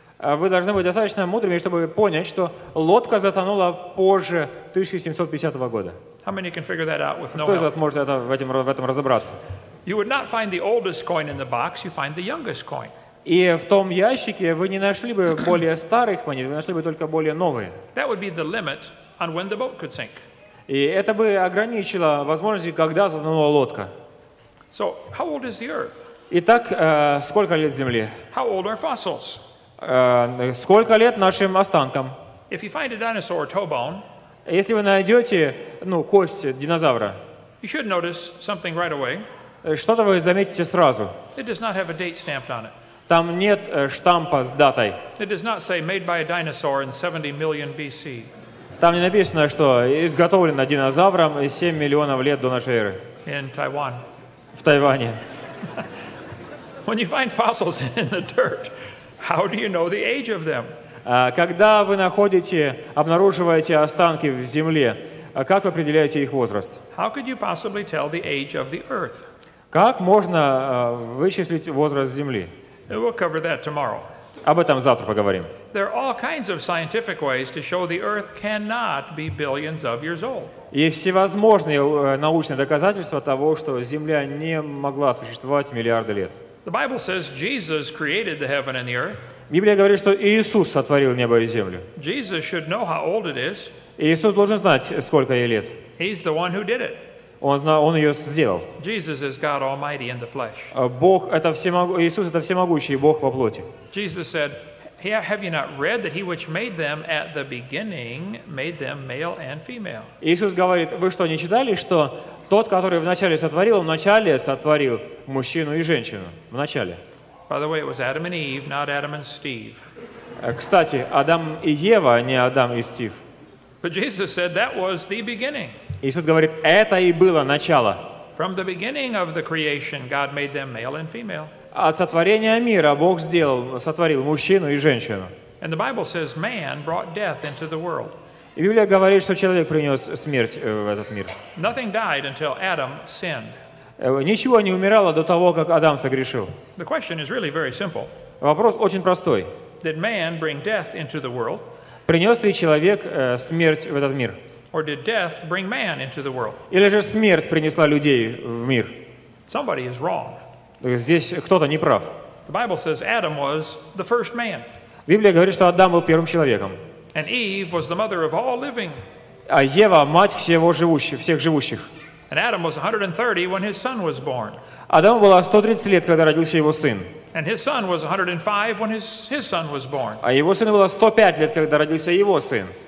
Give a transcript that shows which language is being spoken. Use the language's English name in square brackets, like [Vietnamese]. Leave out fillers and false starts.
[Russian] Вы должны быть достаточно мудрыми, чтобы понять, что лодка затонула позже 1750 года. [English] How many can figure that out with no help? [Russian] Кто из вас может в этом разобраться? [English] You would not find the oldest coin in the box, you find the youngest coin. [Russian] И в том ящике вы не нашли бы более старых монет, вы нашли бы только более новые. [English] That would be the limit on when the boat could sink. [Russian] И это бы ограничило возможности, когда затонула лодка. [English] So, how old is the Earth? [Russian] Итак, сколько лет Земле? [English] How old are fossils? [Russian] Сколько лет нашим останкам? [English] If you find a dinosaur toe bone, [Russian] если вы найдете, кость динозавра, [English] you should notice something right away. [Russian] Что-то вы заметите сразу. [English] It does not have a date stamped on it. [Russian] Там нет штампа с датой. [English] It does not say made by a dinosaur in 70 million BC. [Russian] Там не написано, что изготовлено динозавром 7 миллионов лет до нашей эры. [English] In Taiwan. [Russian] В Тайване. [English] When you find fossils in the dirt, how do you know the age of them? [Russian] Когда вы обнаруживаете останки в земле, как вы определяете их возраст? [English] How could you possibly tell the age of the earth? [Russian] Как можно вычислить возраст земли? [English] We'll cover that tomorrow. [Russian] Об этом завтра поговорим. [English] There are all kinds of scientific ways to show the earth cannot be billions of years old. [Russian] И всевозможные научные доказательства того, что земля не могла существовать миллиарды лет. [English] The Bible says Jesus created the heaven and the earth. [Russian] Библия говорит, что Иисус сотворил небо и землю. [English] Jesus should know how old it is. [Russian] Иисус должен знать, сколько ей лет. [English] He's the one who did it. [Russian] Он ее сделал. [English] Jesus is God Almighty in the flesh. [Russian] Иисус это всемогущий Бог во плоти. [English] Jesus said, "Have you not read that he which made them at the beginning made them male and female?" [Russian] Иисус говорит, вы что не читали, что тот, который вначале сотворил мужчину и женщину. Вначале. [English] By the way, it was Adam and Eve, not Adam and Steve. [Russian] Кстати, Адам и Ева, а не Адам и Стив. [English] But Jesus said that was the beginning. [Russian] Иисус говорит, это и было начало. [English] From the beginning of the creation, God made them male and female. [Russian] От сотворения мира Бог сотворил мужчину и женщину. [English] And the Bible says man brought death into the world. [Russian] И Библия говорит, что человек принес смерть в этот мир. [English] Nothing died until Adam sinned. [Russian] Ничего не умирало до того, как Адам согрешил. [English] The question is really very simple. [Russian] Вопрос очень простой. [English] Did man bring death into the world? [Russian] Принес ли человек смерть в этот мир? [English] Or did death bring man into the world? [Russian] Или же смерть принесла людей в мир? [English] Somebody is wrong. [Russian] Здесь кто-то не прав. [English] The Bible says Adam was the first man. [Russian] Библия говорит, что Адам был первым человеком. [English] And Eve was the mother of all living. [Russian] А Ева – мать всех живущих. [English] And Adam was 130 when his son was born. [Russian] Адаму было 130 лет, когда родился его сын. [English] And his son was 105 when his son was born. [Russian] А его сыну было 105 лет, когда родился его сын.